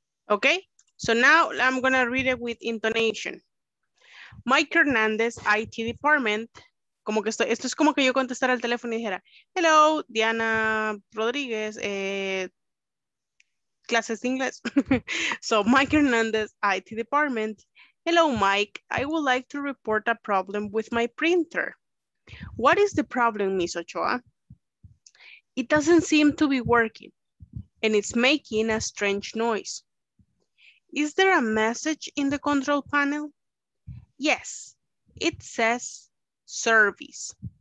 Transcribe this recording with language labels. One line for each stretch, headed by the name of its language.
English: Okay, so now I'm gonna read it with intonation. Mike Hernandez, IT department.
Spanish: Como que esto es como que yo contestara al teléfono y dijera, hello, Diana Rodríguez, clases de inglés.
English: So, Mike Hernandez, IT department. Hello, Mike. I would like to report a problem with my printer. What is the problem, Miss Ochoa? It doesn't seem to be working, and it's making a strange noise. Is there a message in the control panel? Yes, it says service.